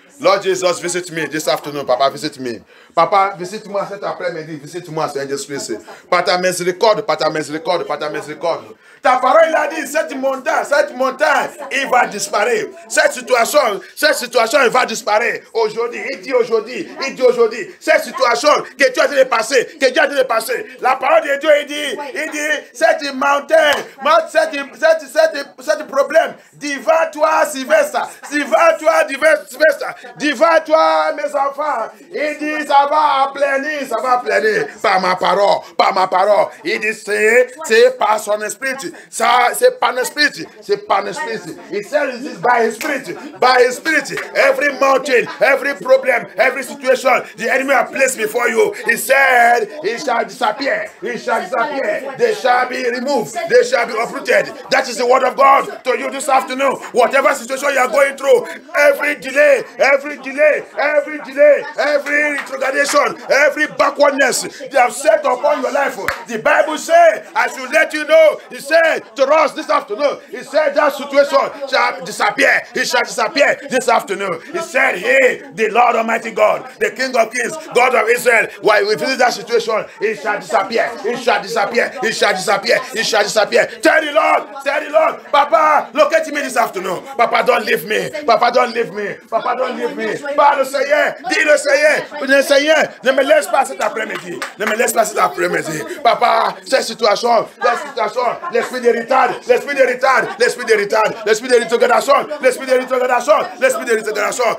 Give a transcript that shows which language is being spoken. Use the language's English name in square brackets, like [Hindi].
[English] Lord Jesus, visit me this afternoon, papa, visit me. [French] Papa, visite moi cet après-midi, visite moi Seigneur Jésus-Christ. Par ta miséricorde, par ta miséricorde, par ta miséricorde. Ta parole l'a dit, cette montagne, il va disparaître. Cette situation, il va disparaître. Aujourd'hui, il dit aujourd'hui, il dit aujourd'hui. Cette situation que tu as de passer, que tu as de passer. La parole de Dieu, il dit, cette montagne, cette problème, divin-toi, Sylvester. Divin-toi, Sylvester. Divin-toi, mes enfants. Il dit, ça va pleiner, par ma parole, par ma parole. Il dit, c'est par son esprit. Ça, c'est pas un esprit, c'est pas un esprit. Il s'agit [English] by his spirit, every mountain, every problem, every situation, the enemy has placed before you. He said, it shall disappear, they shall be removed, they shall be uprooted. That is the word of God to you this afternoon. Whatever situation you are going through, every delay, every delay, every delay, every retrogradation, every backwardness they have set upon your life. The Bible says, I should let you know, he said, to us this afternoon, he said that situation shall disappear. He shall disappear this afternoon. He said, hey, the Lord Almighty God, the King of Kings, God of Israel, while we visit that situation, it shall disappear. It shall disappear. It shall disappear. It shall disappear. Tell the Lord, Papa, look at me this afternoon. Papa, don't leave me. Papa, don't leave me. Papa, don't leave me. [French] Pas le Seigneur, dis le Seigneur, le Seigneur, ne me laisse pas cet après-midi. Ne me laisse pas cet après-midi. Papa, cette situation, l'esprit de retard, l'esprit de retard, l'esprit de retard, l'esprit de rétrogradation, l'esprit de rétrogradation, l'esprit de rétrogradation.